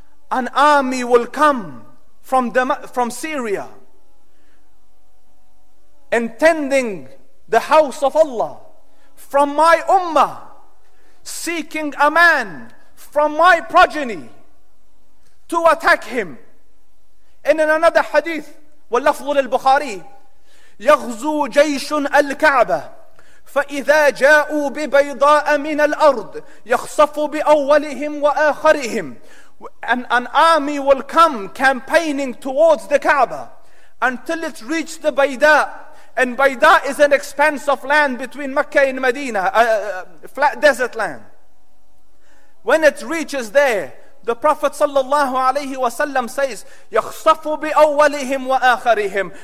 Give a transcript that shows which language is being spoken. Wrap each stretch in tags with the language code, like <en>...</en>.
<en>An army will come from Syria, intending the house of Allah, from my ummah, seeking a man from my progeny to attack him. And in another hadith,</en> <ar>واللفظ للبخاري, يغزو جيش الكعبة فَإِذَا جَاءُوا بِبَيْضَاءَ مِنَ الْأَرْضِ يَخْصَفُ بِأَوَّلِهِمْ وَآخَرِهِمْ.</ar> <en>An army will come campaigning towards the Kaaba until it reached the Bayda. And Bayda is an expanse of land between Mecca and Medina, flat desert land. When it reaches there, the Prophet sallallahu alayhi wasallam says,</en> <ar>يَخْصَفُ بِأَوَّلِهِمْ وَآخَرِهِمْ.</ar>